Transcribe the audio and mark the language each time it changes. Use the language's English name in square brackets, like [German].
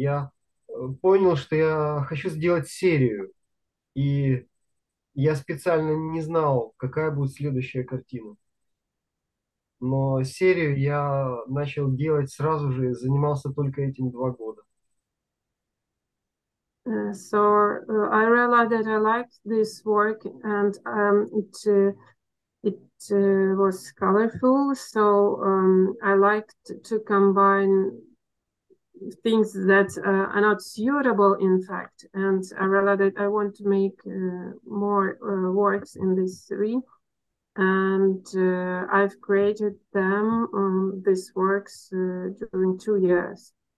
[Ukrainian] Я понял, що я хочу зробити серію, і я спеціально не знав, яка буде [Russian] следующая картина. Но серию я начал делать сразу же, занимался только этим 2 года. [English] So I realized that I liked this work, and it It was colorful, so I liked to combine things that are not suitable, in fact, and I realized I want to make more works in this series, and I've created them, these works, during 2 years.